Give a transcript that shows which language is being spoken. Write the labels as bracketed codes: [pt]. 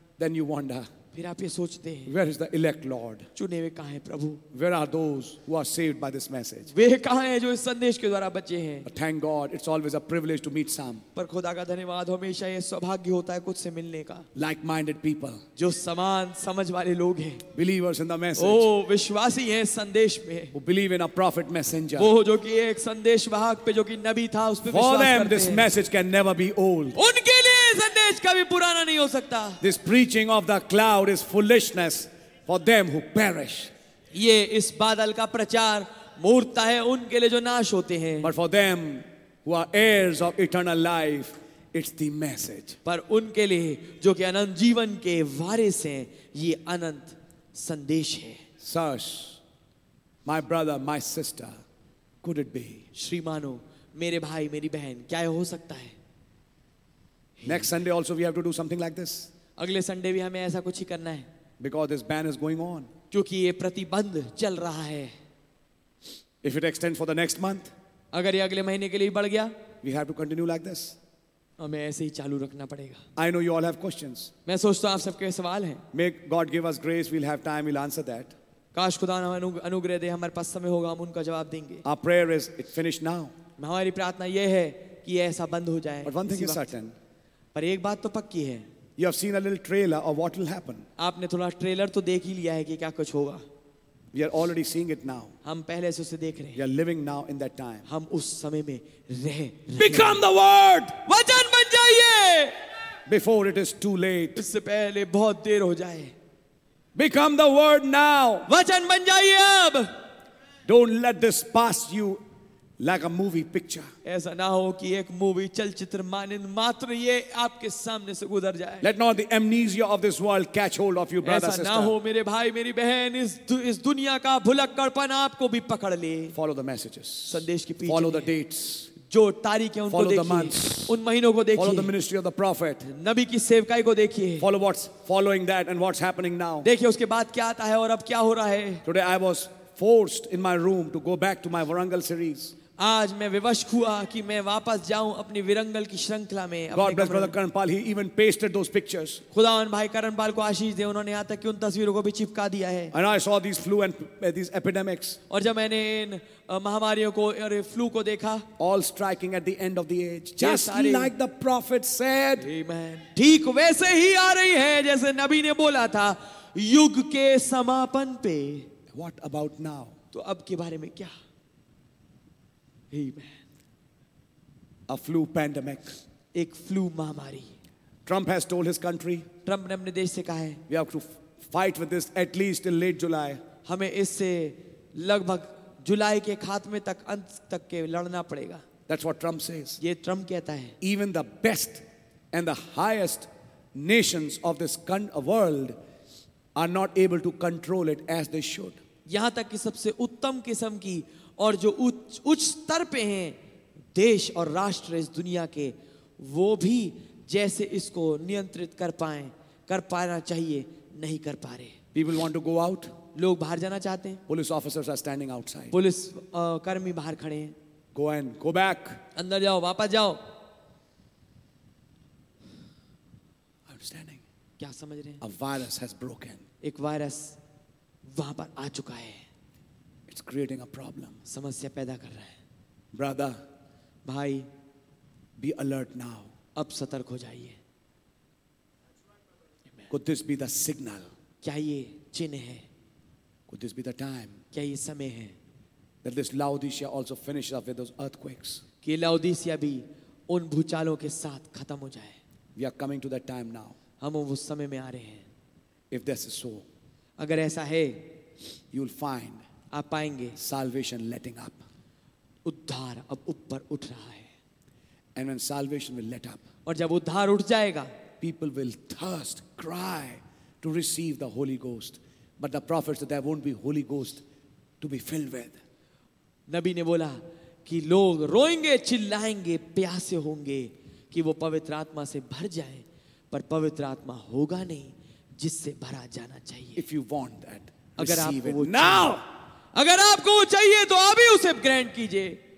[en] Then you wonder. [hi] फिर आप ये सोचते हैं. [en] Where is the elect Lord? [hi] चुने हुए कहाँ हैं प्रभु? [en] Where are those who are saved by this message? [hi] वे कहाँ हैं जो इस संदेश के द्वारा बचे हैं? [en] Thank God, it's always a privilege to meet some. [hi] पर खुदा का धन्यवाद हमेशा ये सौभाग्य होता है कुछ से मिलने का. [en] Like-minded people. [hi] जो समान समझ वाले लोग हैं. [en] Believers in the message. [hi] ओ विश्वासी हैं संदेश में. [en] Who believe in a prophet messenger. [hi] वो जो कि एक संदेश वाहक पे जो कि नबी था उस पे विश्वास करते हैं. [en] For them, this message can never be old. [hi] उनके लिए संदेश कभी पुराना नहीं हो सकता. [en] This preaching of the cloud is foolishness for them who perish. [hi] ये इस बादल का प्रचार मूर्खता है उनके लिए जो नाश होते हैं. [en] But for them who are heirs of eternal life, it's the message. [hi] पर उनके लिए जो कि अनंत जीवन के वारिस हैं, ये अनंत संदेश है. [en] Sirs, my brother, my sister, could it be? [hi] श्रीमानो, मेरे भाई, मेरी बहन, क्या हो सकता है? [en] Next Sunday also we have to do something like this. [hi] अगले संडे भी हमें ऐसा कुछ ही करना है. [en] Because this ban is going on. [hi] क्योंकि ये प्रतिबंध चल रहा है. [en] If it extends for the next month. [hi] अगर ये अगले महीने के लिए बढ़ गया. [en] We have to continue like this. [hi] हमें ऐसे ही चालू रखना पड़ेगा. [en] I know you all have questions. [hi] मैं सोचता हूँ आप सबके सवाल हैं. [en] May God give us grace. We'll have time. We'll answer that. [hi] काश खुदा ने अनुग्रह दे हमारे पास समय होगा हम उनका जवाब देंगे. [en] Our prayer is it finished now. [hi] हमारी प्रार्थना ये है कि ऐसा बंद हो जाए. [en] But one thing is certain. [hi] पर एक बात तो पक्की है. [en] You have seen a little trailer of what will happen. [hi] आपने थोड़ा ट्रेलर तो देख ही लिया है कि क्या कुछ होगा. [en] We are already seeing it now. [hi] हम पहले से उसे देख रहे हैं. [en] We are living now in that time. [hi] हम उस समय में रहे. [en] Become the word. [hi] वचन बन जाइए. [en] Before it is too late. [hi] इससे पहले बहुत देर हो जाए. [en] Become the word now. [hi] वचन बन जाइए अब. [en] Don't let this pass you. Like a movie picture. [hi] ऐसा ना हो कि एक मूवी चलचित्र मानिंद मात्र ये आपके सामने से गुजर जाए. [en] Let not the amnesia of this world catch hold of you, brother, sister. [hi] ऐसा ना हो मेरे भाई मेरी बहन इस दुनिया का भुलक्कड़पन आपको भी पकड़ ले. [en] Follow the messages. [hi] संदेश की पीछे. [en] Follow the dates. [hi] जो तारीखें उनको देखिए. [en] Follow the months. [hi] उन महीनों को देखिए. [en] Follow the ministry of the prophet. [hi] नबी की सेवकाई को देखिए. [en] Follow what's following that and what's happening now. [hi] देखिए उसके बाद क्या आता है और अब क्या हो रहा है. [en] Today I was forced in my room to go back to my Warangal series. [hi] आज मैं विवश हुआ कि मैं वापस जाऊं अपनी विरंगल की श्रृंखला में. [en] God bless brother Karanpal. He even pasted those pictures. [hi] खुदा उन भाई करणपाल को आशीष दे उन्होंने यहां तक कि उन तस्वीरों को भी चिपका दिया है. [en] And I saw these flu and these epidemics. [hi] और जब मैंने इन महामारियों को और फ्लू को देखा. [en] All striking at the end of the age. Just like the prophet said. Amen. [hi] ठीक वैसे ही आ रही है जैसे नबी ने बोला था युग के समापन पे. [en] What about now? [hi] तो अब के बारे में क्या? [en] A flu pandemic. [hi] एक फ्लू महामारी. [en] Trump has told his country. [hi] Trump ने अपने देश से कहा है. [en] We have to fight with this at least till late July. [hi] हमें इससे लगभग जुलाई के खात्मे तक अंत तक के लड़ना पड़ेगा. [en] That's what Trump says. [hi] ये ट्रंप कहता है. [en] Even the best and the highest nations of this world are not able to control it as they should. [hi] यहाँ तक कि सबसे उत्तम किस्म की और जो उच्च स्तर पे हैं देश और राष्ट्र इस दुनिया के वो भी जैसे इसको नियंत्रित कर पाना चाहिए नहीं कर पा रहे. [en] People want to go out. [hi] लोग बाहर जाना चाहते हैं. [en] Police officers are standing outside. [hi] Police कर्मी बाहर खड़े हैं. [en] Go and go back. [hi] अंदर जाओ वापस जाओ. [en] Understanding. [hi] क्या समझ रहे हैं? [en] A virus has broken. [hi] एक वायरस वहां पर आ चुका है. [en] It's creating a problem. [hi] समस्या पैदा कर रहा है. [en] Brother, [hi] भाई, [en] be alert now. [hi] अब सतर्क हो जाइए. [en] Could this be the signal? [hi] क्या ये चिन्ह है? [en] Could this be the time? [hi] क्या ये समय है? [en] That this Laodicea also finishes up with those earthquakes. [hi] कि लाओदीसिया भी उन भूचालों के साथ खत्म हो जाए. [en] We are coming to that time now. [hi] हम उस समय में आ रहे हैं. [en] If this is so, [hi] अगर ऐसा है, [en] you'll find. [hi] आप पाएंगे. [en] Salvation letting up. [hi] उद्धार अब ऊपर उठ रहा है. [en] And when salvation will let up. [hi] और जब उद्धार उठ जाएगा. [en] People will thirst, cry to receive the Holy Ghost. But the prophet said there won't be Holy Ghost to be filled with. [hi] नबी ने बोला कि लोग रोएंगे चिल्लाएंगे प्यासे होंगे कि वो पवित्र आत्मा से भर जाएं पर पवित्र आत्मा होगा नहीं जिससे भरा जाना चाहिए. [en] If you want that, [hi] अगर आपको वो [en] now, [hi] अगर आपको वो चाहिए तो अभी उसे ग्रैंड कीजिए.